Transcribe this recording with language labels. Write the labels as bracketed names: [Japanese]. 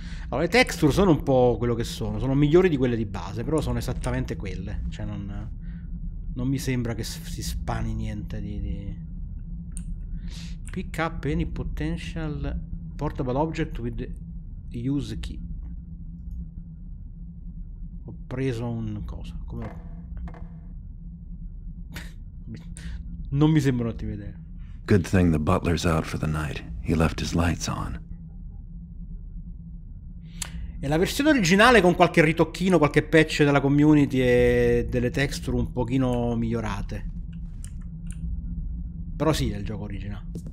[Italian] Allora, le texture sono un po' quello che sono. Sono migliori di quelle di base, però sono esattamente quelle. Cioè, non mi sembra che si spani niente di... [English] Pick up any potential portable object with the use key. [Italian] Ho preso un cosa. Come... non mi sembra un'ottima idea. [English] Good thing the butler's out for the night. He left his lights on. [Italian] E la versione originale con qualche ritocchino, qualche patch della community e delle texture un pochino migliorate. Però sì, è il gioco originale.